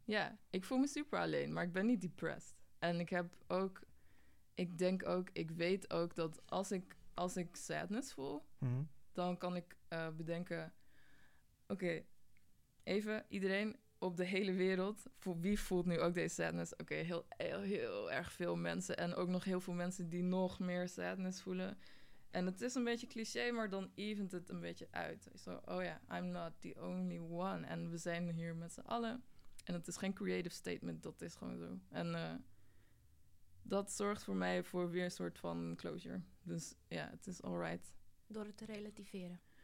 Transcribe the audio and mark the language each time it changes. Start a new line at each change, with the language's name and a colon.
Dutch: Ja, ik voel me super alleen, maar ik ben niet depressed. En ik heb ook, ik denk ook, ik weet ook dat als ik sadness voel, dan kan ik bedenken, oké, even iedereen op de hele wereld, voor wie voelt nu ook deze sadness? Oké, heel erg veel mensen. En ook nog heel veel mensen die nog meer sadness voelen. En het is een beetje cliché, maar dan event het een beetje uit. Zo, oh ja,
English: I'm not the only one.
Dutch: En we zijn hier met z'n allen. En het is geen
English: creative statement,
Dutch: dat is gewoon zo. En dat zorgt voor mij voor weer een soort van closure. Dus ja, het is all right. Door het te relativeren?